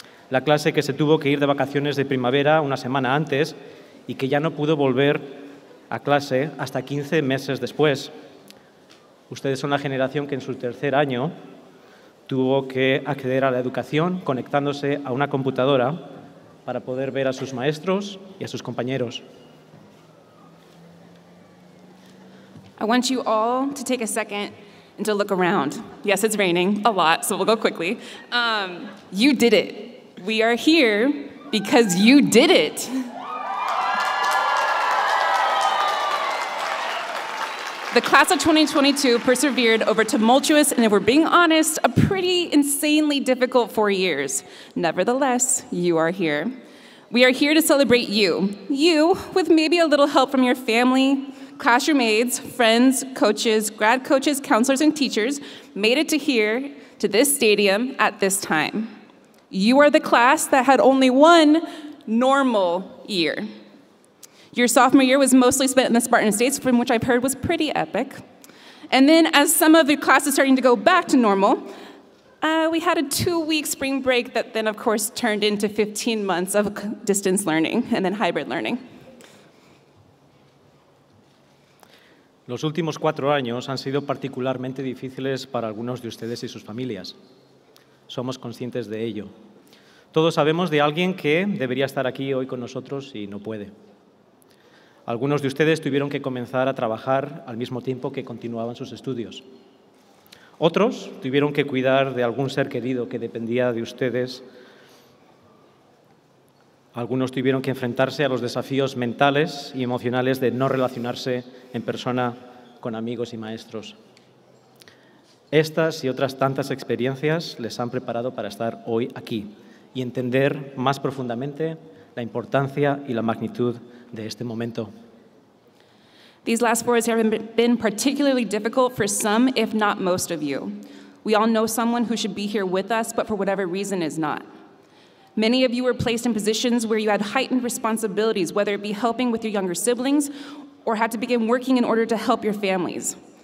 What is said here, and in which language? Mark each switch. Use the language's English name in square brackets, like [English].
[Spanish] La clase que se tuvo que ir de vacaciones de primavera una semana antes y que ya no pudo volver a clase hasta 15 meses después. Ustedes son la generación que en su tercer año tuvo que acceder a la educación conectándose a una computadora para poder ver a sus maestros y a sus compañeros. [English] I want you all to take a second and to look around. Yes, it's raining a lot, so we'll go quickly. You did it. We are here because you did it. The class of 2022 persevered over tumultuous, and if we're being honest, a pretty insanely difficult 4 years. Nevertheless, you are here. We are here to celebrate you. You, with maybe a little help from your family, classroom aides, friends, coaches, grad coaches, counselors, and teachers, made it to here, to this stadium, at this time. You are the class that had only one normal year. Your sophomore year was mostly spent in the Spartan States, from which I've heard was pretty epic. And then as some of the classes starting to go back to normal, we had a 2-week spring break that then of course turned into 15 months of distance learning and then hybrid learning. [Spanish] Los últimos 4 años han sido particularmente difíciles para algunos de ustedes y sus familias. Somos conscientes de ello. Todos sabemos de alguien que debería estar aquí hoy con nosotros y no puede. Algunos de ustedes tuvieron que comenzar a trabajar al mismo tiempo que continuaban sus estudios. Otros tuvieron que cuidar de algún ser querido que dependía de ustedes. Algunos tuvieron que enfrentarse a los desafíos mentales y emocionales de no relacionarse en persona con amigos y maestros. Estas y otras tantas experiencias les han preparado para estar hoy aquí y entender más profundamente la importancia y la magnitud de este momento. [English] These last 4 years have been particularly difficult for some, if not most of you. We all know someone who should be here with us, but for whatever reason is not. Many of you were placed in positions where you had heightened responsibilities, whether it be helping with your younger siblings or had to begin working in order to help your families.